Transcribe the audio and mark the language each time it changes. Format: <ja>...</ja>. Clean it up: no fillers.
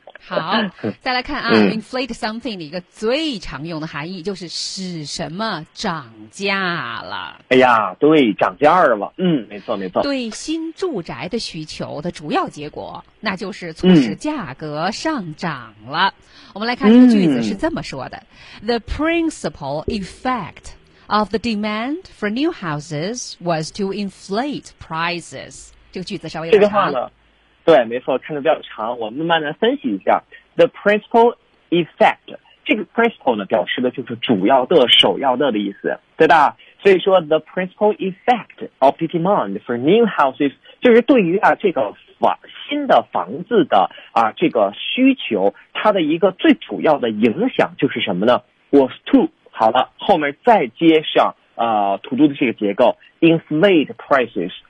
<zh>好，再来看啊 inflate something 的一个最常用的含义，就是使什么涨价了。哎呀，对，涨价了，没错没错。对新住宅的需求的主要结果，那就是促使价格上涨了。</zh> <en>我们来看这个句子是这么说的 The principal effect of the demand for new houses was to inflate prices。</en> <zh>这个句子稍微有点长，这个话呢，对，没错，看得比较长，我们慢慢分析一下。 The principal effect，这个 principal 呢，表示的就是主要的、首要的意思，对吧？所以说 ， the principal effect of the demand for new houses，就是对于啊这个新的房子的啊这个需求，它的一个最主要的影响就是什么呢 ？ Was to，好了，后面再接上 to do 的这个结构 ， inflate prices。</zh>